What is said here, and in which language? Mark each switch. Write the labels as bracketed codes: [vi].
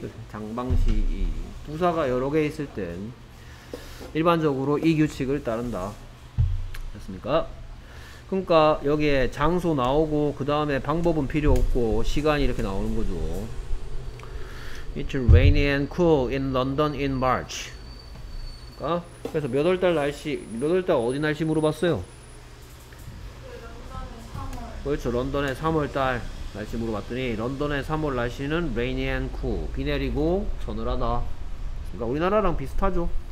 [ko] 장방시 2. 부사가 여러 개 있을 땐 일반적으로 이 규칙을 따른다. 됐습니까? 그러니까 여기에 장소 나오고 그 다음에 방법은 필요 없고 시간이 이렇게 나오는 거죠. [en] It's rainy and cool in London in March. [ko] 그러니까 그래서 몇 월 달 날씨, 몇 월 달 어디 날씨 물어봤어요? 런던의 3월. 그렇죠. 런던의 3월 달 날씨 물어봤더니 런던의 3월 날씨는 [en] rainy and cool. [ko] 비 내리고 서늘하다. 그러니까 우리나라랑 비슷하죠.